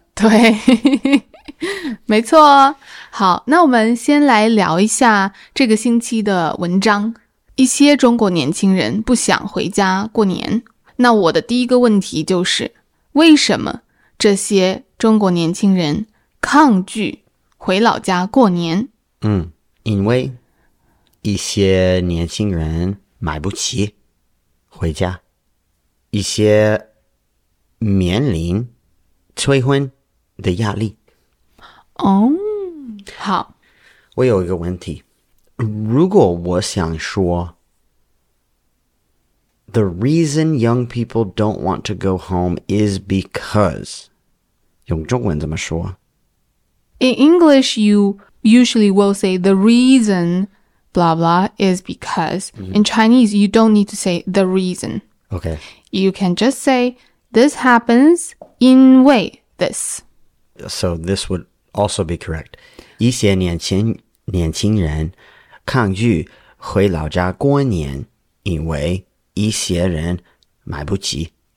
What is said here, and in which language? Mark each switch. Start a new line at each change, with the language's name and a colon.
Chinese: 对没错好那我们先来聊一下这个星期的文章一些中国年轻人不想回家过年那我的第一个问题就是为什么这些中国年轻人抗拒回老家过年嗯因为一些年轻人买不起回家一些面临催婚的压力。哦、oh, 好。我有一个问题。
English: 如果我想说 The reason young people don't want to go home is because
Chinese: 用中文怎么说
English: In English, you usually will say the reason blah blah is because、mm-hmm. In Chinese, you don't need to say the reason. Okay. You can just say this happens in way. This. So this would also be correct.
Chinese: 一些年轻人抗拒回老家过年因为一些人买不起。